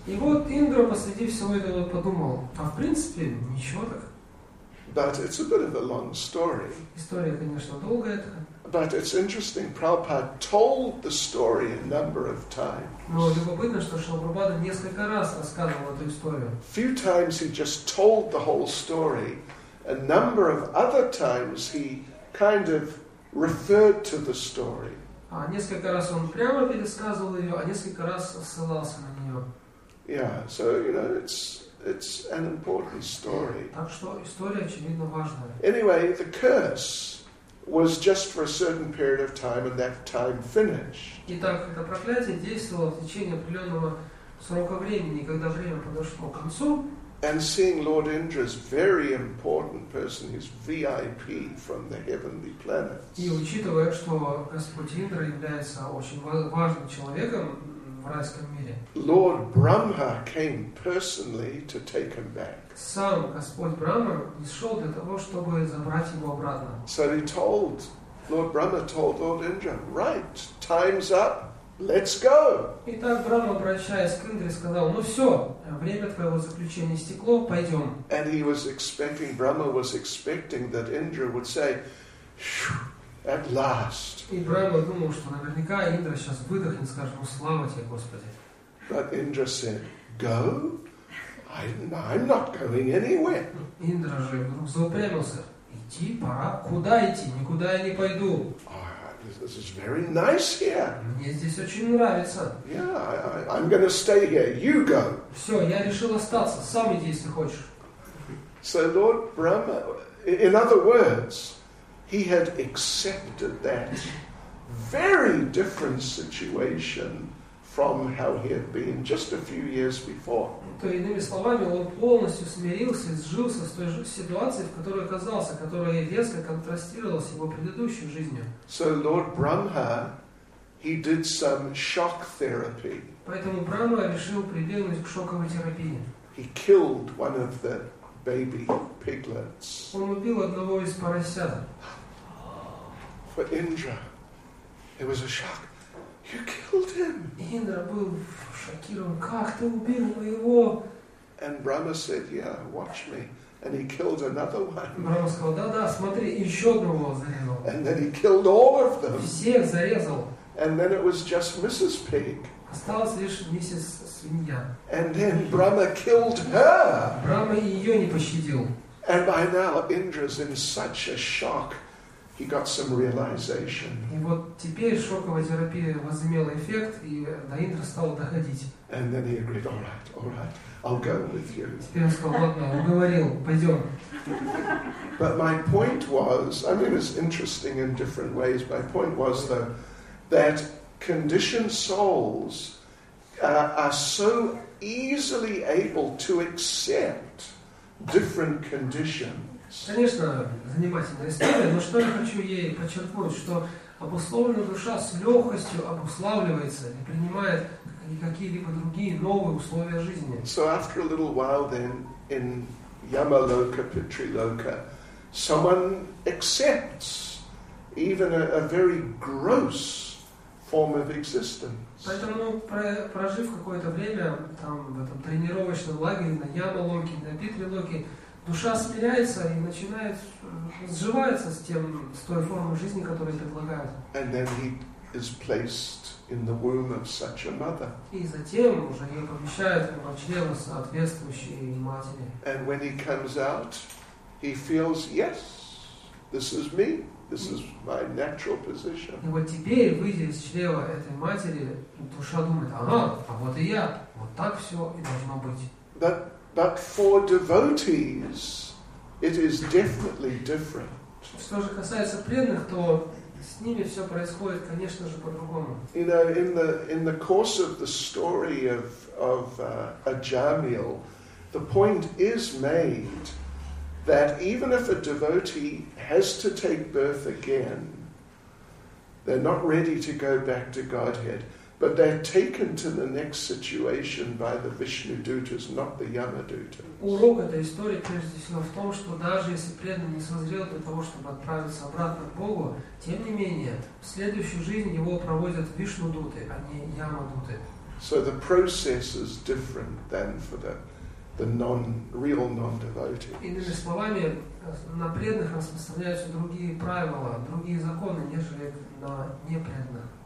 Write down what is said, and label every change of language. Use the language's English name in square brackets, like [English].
[Russian] И вот Индра посреди всего этого подумал, а в принципе ничего так. [English] But it's a bit of a long story. [Russian] История, конечно, долгая это. [English] But it's interesting, Prabhupada told the story a number of times. [Russian] Но любопытно, что Шрила Прабхупада несколько раз рассказывал эту историю. [English] Few times he just told the whole story. A number of other times he kind of referred to the story. [Russian] А несколько раз он прямо пересказывал ее, а несколько раз ссылался на нее. [English] Yeah, so, you know, it's an important story. [Russian] Так что история, очевидно, важная. [English] Anyway, the curse was just for a certain period of time, and that time finished. [Russian] Итак, это проклятие действовало в течение определенного срока времени, когда время подошло к концу. [English] And seeing Lord Indra is very important person, he's VIP from the heavenly planets. [Russian] И учитывая, что Господь Индра является очень важным человеком в райском мире. [English] Lord Brahma came personally to take him back. [Russian] Сам Господь Брахма пришел для того, чтобы забрать его обратно. [English] So he told, Lord Brahma told Lord Indra, right, time's up, Let's go. [Russian] И так Брама, обращаясь к Индре, сказал: "Ну все, время твоего заключения истекло, пойдем". [English] And he was expecting, Brahma was expecting that Indra would say, "At last". [Russian] И Брама думал, что наверняка Индра сейчас выдохнет, скажет: "Ну слава тебе, Господи". [English] But Indra said, "Go. I'm not going anywhere". [Russian] Индра же вдруг заупрямился: "Иди, пора. Куда идти? Никуда я не пойду". [English] This is very nice here. [Russian] Мне здесь очень нравится. [English] Yeah, I'm going to stay here. You go. [Russian] Все, я решил остаться. Сам иди, если хочешь. [English] So Lord Brahma, in other words, he had accepted that very different situation from how he had been just a few years before. [Russian] То иными словами, он полностью смирился и сжился с той же ситуацией, в которой оказался, которая резко контрастировала с его предыдущей жизнью. [English] So Lord Brahma, he did some shock therapy. [Russian] Поэтому Брама решил прибегнуть к шоковой терапии. [English] He killed one of the baby piglets. [Russian] Он убил одного из поросят. [English] For Indra, it was a shock. You killed him. [Russian] Индра был шокирован. Как ты убил моего? [English] And Brahma said, "Yeah, watch me." And he killed another one. [Russian] Брама сказал: "Да-да, смотри, еще одного зарезал". [English] And then he killed all of them. [Russian] Всех зарезал. [English] And then it was just Mrs. Pig. [Russian] Осталась лишь миссис свинья. [English] And then Brahma killed her. [Russian] Брама ее не пощадил. [English] And by now Indra's in such a shock. He got some realization. [Russian] И вот теперь шоковая терапия возымела эффект, и до Индры стало доходить. [English] And then he agreed, all right, I'll go with you. [Russian] Теперь он сказал: "Ладно, уговорил, пойдем". [English] But my point was, I mean, it's interesting in different ways. My point was, though, that conditioned souls are so easily able to accept different conditions. [Russian] Конечно, занимательная история, но что я хочу ей подчеркнуть, что обусловленная душа с легкостью обуславливается и принимает какие-либо другие новые условия жизни. [English] So after a little while then, in Yamaloka, Pitriloka, someone accepts even a very gross form of existence. [Russian] Поэтому, прожив какое-то время там, в этом тренировочном лагере, на Ямалоке, на Питрилоке, душа смиряется и начинает сживаться с тем, с той формой жизни, которую предлагают. [English] And then he is placed in the womb of such a mother. [Russian] И затем уже ее помещают в чрево соответствующей матери. [English] And when he comes out, he feels, yes, this is me, this is my natural position. [Russian] И вот теперь, выйдя из чрева этой матери, душа думает: ага, а вот и я, вот так все и должно быть. [English] But for devotees, it is definitely different. [Russian] Что же касается преданных, то с ними все происходит, конечно же, по-другому. [English] You know, in the course of the story of Ajamil, the point is made that even if a devotee has to take birth again, they're not ready to go back to Godhead. But they're taken to the next situation by the Vishnu Dutas, not the Yama Dutas. [Russian] Урок этой истории, прежде всего, в том, что даже если преданный не созрел для того, чтобы отправиться обратно к Богу, тем не менее, в следующую жизнь его проводят Вишну Дуты, а не Яма Дуты. [English] So the process is different than for the real non-devotees. [Russian] Иными словами, на преданных распространяются другие правила, другие законы, нежели на непреданных.